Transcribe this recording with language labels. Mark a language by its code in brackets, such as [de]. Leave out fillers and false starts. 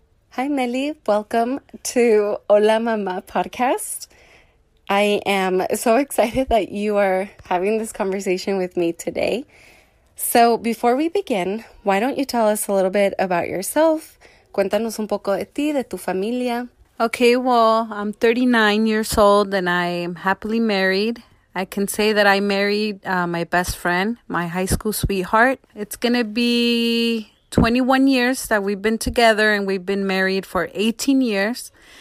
[en] Hi, Meli. Welcome to Hola Mama Podcast. I am so excited that you are having this conversation with me today. So before we begin, why don't you tell us a little bit about yourself? [es] Cuéntanos un poco de ti, de tu familia. [en] Okay, well, I'm 39 years old and I am happily married. I can say that I married my best friend, my high school sweetheart. It's going to be 21 years that we've been together, and we've been married for 18 years.